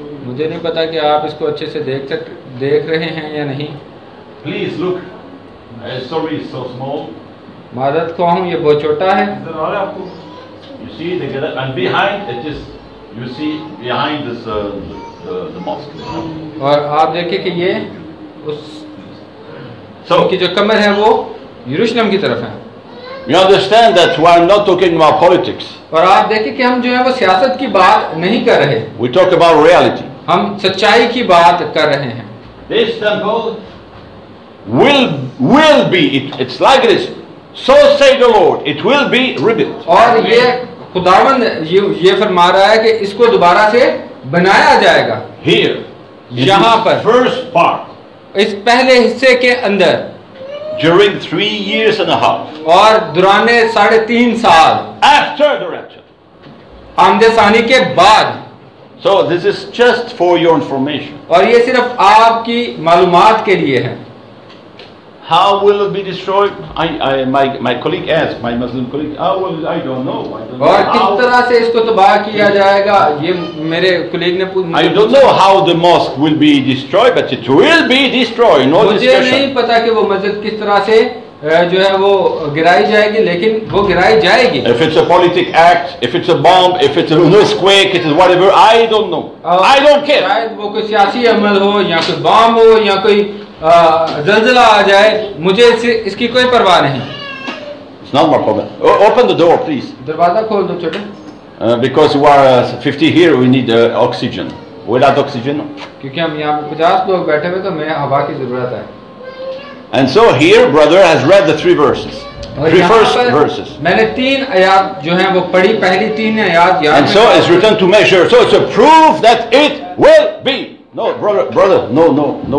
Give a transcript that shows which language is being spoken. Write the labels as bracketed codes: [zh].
[hi] mujhe nahi pata ki aap isko acche se dekh rahe hain ya nahi [en] please look sorry it's so small [hi] madad kahun ye bahut chota hai sir aur aapko [en] you see the gate and behind it is you see behind this the mosque [hi] और आप देखें कि ये उस उसकी जो कमर है वो यरूशलेम की तरफ है [en] You understand that we are not talking about politics. [hi] और आप देखें कि हम जो है वो सियासत की बात नहीं कर रहे [en] We talk about reality. [hi] हम सच्चाई की बात कर रहे हैं [en] This temple will be it's like this so say the Lord it will be rebuilt. [hi] और ये खुदावंद ये फरमा रहा है कि इसको दोबारा से बनाया जाएगा [en] Here [hi] यहाँ पर [en] first part [hi] इस पहले हिस्से के अंदर [en] during 3 years and a half [hi] और दुराने 3.5 साल [en] after the rapture [hi] आमदेसानी के बाद [en] so this is just for your information [hi] और ये सिर्फ आपकी मालूमात के लिए है [en] How will it be destroyed? My colleague asked my Muslim colleague. I don't know. [hi] और किस तरह से इसको तबाह किया जाएगा? ये मेरे कलीग ने पूछा. [en] I don't know how the mosque will be destroyed, but it will be destroyed. No discussion. [hi] मुझे नहीं पता कि वो मस्जिद किस तरह से जो है वो गिराई जाएगी, लेकिन वो गिराई जाएगी. [en] If it's a politic act, if it's a bomb, if it's an earthquake, it is whatever. I don't know. I don't care. [hi] शायद वो कोई सियासी अमल हो, या कोई बम हो, या कोई जलजला आ जाए मुझे इसकी कोई परवाह नहीं [en] It's not my problem. Open the door, please. [hi] दरवाजा खोल दो छोटे [en] because we are 50 here we need oxygen without oxygen [hi] क्योंकि हम यहाँ 50 लोग बैठे हुए तो मैं हवा की जरूरत है [en] And so here brother has read the three verses three first verses [hi] मैंने 3 आयत जो है वो पढ़ी पहली 3 आयत [en] And so it's written to measure so it's a proof that it will be No, brother, no.